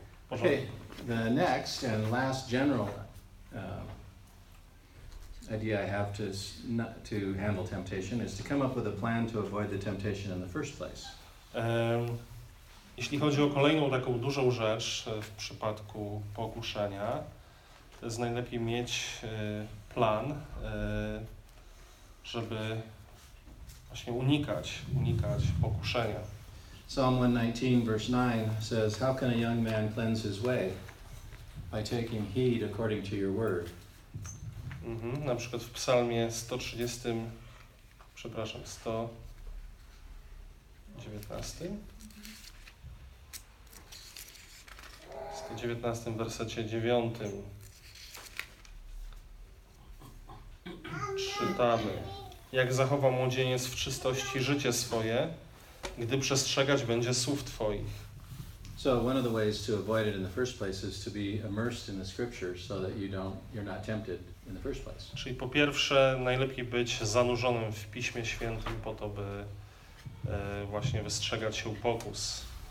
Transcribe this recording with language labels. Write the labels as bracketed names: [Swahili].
[English] And last general idea I have to handle temptation is to come up with a plan to avoid the temptation in the first place. [Polish] Jeśli chodzi o kolejną taką dużą rzecz w przypadku pokuszenia, to jest najlepiej mieć plan, żeby właśnie unikać pokuszenia. [English] Psalm 119 verse 9 says, "How can a young man cleanse his way? By taking heed according to your word." [Polish] Na przykład w psalmie 130, przepraszam, 119 w wersecie 9 czytamy: jak zachowa młodzieniec w czystości życie swoje, gdy przestrzegać będzie słów twoich. [English] So one of the ways to avoid it in the first place is to be immersed in the scriptures so that you're not tempted in the first place. [Polish] Czyli po pierwsze najlepiej być zanurzonym w Piśmie Świętym po to, by właśnie wystrzegać się pokus.